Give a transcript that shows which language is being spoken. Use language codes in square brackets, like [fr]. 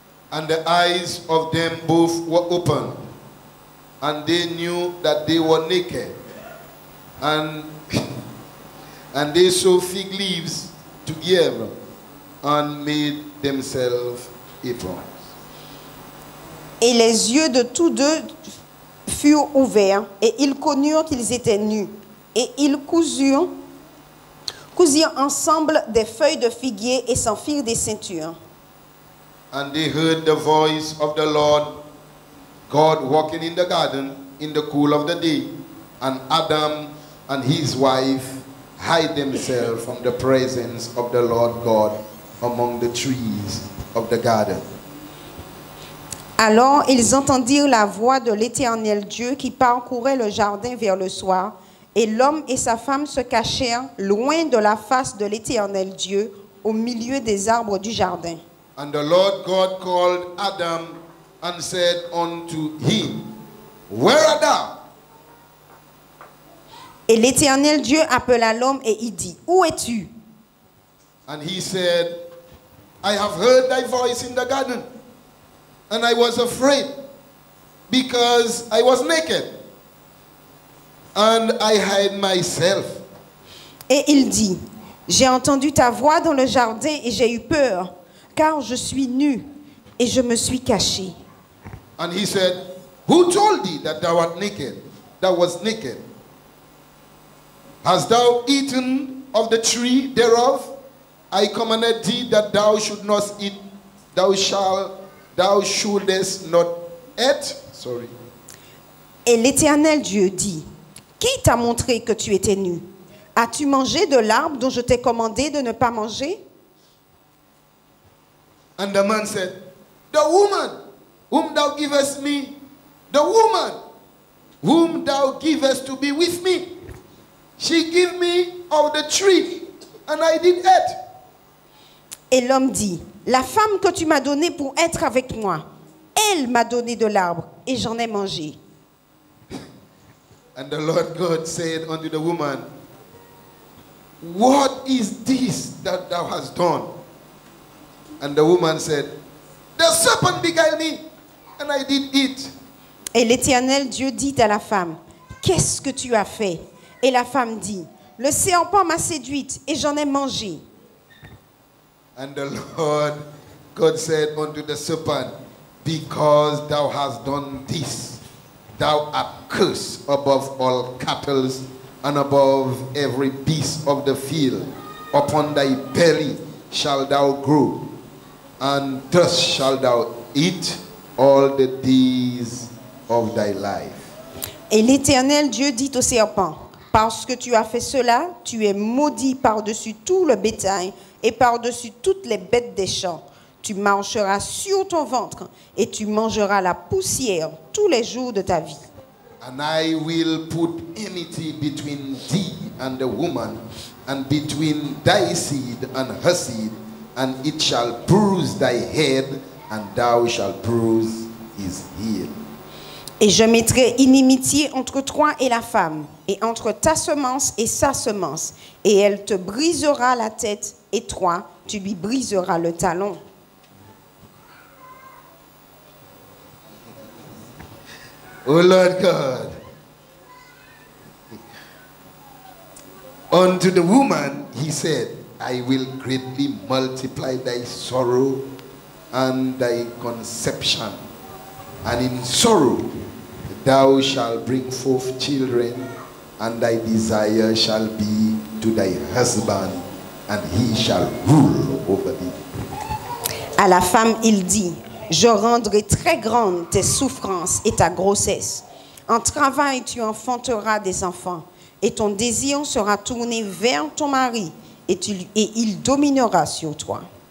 [en] And the eyes of them both were opened, and they knew that they were naked. And they sewed fig leaves together and made themselves aprons. [fr] Et les yeux de tous deux furent ouverts, et ils connurent qu'ils étaient nus. Et ils cousirent ensemble des feuilles de figuier et s'en firent des ceintures. [en] And they heard the voice of the Lord God walking in the garden in the cool of the day. And Adam and his wife hide themselves from the presence of the Lord God among the trees of the garden. [fr] Alors ils entendirent la voix de l'Éternel Dieu qui parcourait le jardin vers le soir, et l'homme et sa femme se cachèrent loin de la face de l'Éternel Dieu au milieu des arbres du jardin. [en] And the Lord God called Adam and said unto him, Where art thou? [fr] Et l'Éternel Dieu appela l'homme et il dit, Où es-tu? [en] And he said, I have heard thy voice in the garden. And I was afraid because I was naked and I hid myself. [fr] Et il dit, j'ai entendu ta voix dans le jardin et j'ai eu peur car je suis nu et je me suis caché. [en] And he said, who told thee that thou art naked? Thou was naked. Hast thou eaten of the tree thereof? I commanded thee that thou should not eat. Thou shalt Thou shouldest not eat. Sorry. [fr] Et l'Éternel Dieu dit, qui t'a montré que tu étais nu? As-tu mangé de l'arbre dont je t'ai commandé de ne pas manger? [en] And the man said, the woman whom thou givest me, the woman whom thou givest to be with me, she gave me of the tree, and I did eat. [fr] Et l'homme dit, la femme que tu m'as donnée pour être avec moi, elle m'a donné de l'arbre et j'en ai mangé. [en] And the Lord God said unto the woman, What is this that thou hast done? And the woman said, The serpent beguiled me, and I did eat. [fr] Et l'Éternel Dieu dit à la femme, Qu'est-ce que tu as fait? Et la femme dit, Le serpent m'a séduite et j'en ai mangé. [en] And the Lord God said unto the serpent, Because thou hast done this, thou art cursed above all cattle and above every beast of the field. Upon thy belly shalt thou grow, and thus shalt thou eat all the days of thy life. [fr] Et l'Éternel Dieu dit au serpent, Parce que tu as fait cela, tu es maudit par-dessus tout le bétail. Et par-dessus toutes les bêtes des champs, tu marcheras sur ton ventre et tu mangeras la poussière tous les jours de ta vie. [en] And I will put enmity between thee and the woman, and between thy seed and her seed, and it shall bruise thy head, and thou shalt bruise his heel. [fr] Et je mettrai inimitié entre toi et la femme, et entre ta semence et sa semence, et elle te brisera la tête. Et toi, tu lui briseras le talon. [en] Oh Lord God, unto the woman he said, I will greatly multiply thy sorrow and thy conception, and in sorrow thou shalt bring forth children, and thy desire shall be to thy husband. And he shall rule over thee. [fr] À la femme, il dit, Je rendrai très grandes tes souffrances et ta grossesse. En travail, tu enfanteras des enfants, et ton désir sera tourné vers ton mari, et il dominera sur toi.